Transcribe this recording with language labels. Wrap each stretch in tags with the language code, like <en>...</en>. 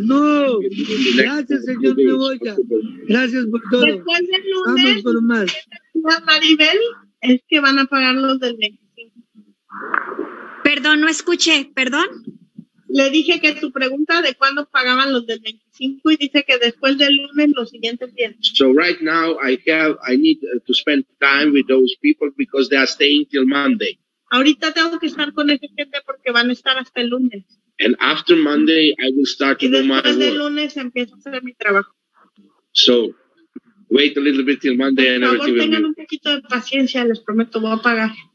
<es>No, gracias, señor Neboja. Gracias por todo. Después del lunes, vamos por más. Maribel, es que van a pagar los del México. Perdón, no escuché, perdón. Le dije que tu pregunta de cuándo pagaban los del 25 y dice que después del lunes los siguientes días.</es> <en>So right now I need to spend time with those people because they are staying till Monday.</en> <es>Ahorita tengo que estar con esa gente porque van a estar hasta el lunes.</es> <en>And after Monday I will start to do my work.</en> <es>Y después del lunes empiezo a hacer mi trabajo.</es> <en>So wait a little bit till Monday.</en> <es>Por favor, tengan un poquito de paciencia, les prometo, voy a pagar.</es>